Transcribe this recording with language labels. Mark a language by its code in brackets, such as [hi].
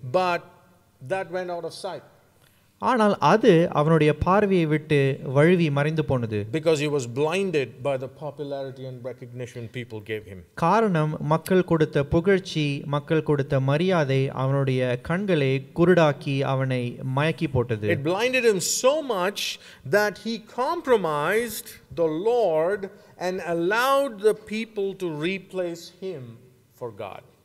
[en] But that went out of sight. [ta] ஆனால் அது அவனுடைய பார்வையை விட்டு வழுவி மறைந்து போனது. [en] Because he was blinded by the popularity and recognition people gave him. [ta] காரணம் மக்கள் கொடுத்த புகழ்ச்சி, மக்கள் கொடுத்த மரியாதை அவனுடைய கண்களை குருடாக்கி அவனை மயக்கி போட்டது. [en] It blinded him so much that he compromised the Lord and allowed the people to replace him for God.